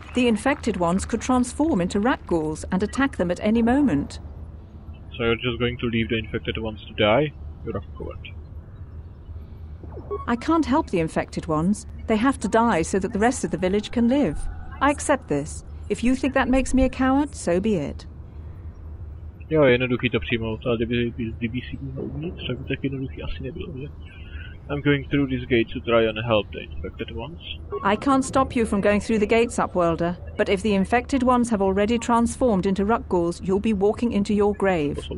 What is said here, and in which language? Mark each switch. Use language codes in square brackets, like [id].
[en] The infected ones could transform into rat ghouls and attack them at any moment. So you're just going to leave the infected ones to die? You're off court. I can't help the infected ones. They have to die so that the rest of the village can live. I accept this. If you think that makes me a coward, so be it. [cs] Jo, jednoduchý to přijmout, ale kdyby si měl uvnitř, tak by tak jednoduchý asi nebylo, že? [en] I'm going through this gate to try and help the infected ones. I can't stop you from going through the gates, Upworlder. But if the infected ones have already transformed into rat ghouls, you'll be walking into your grave.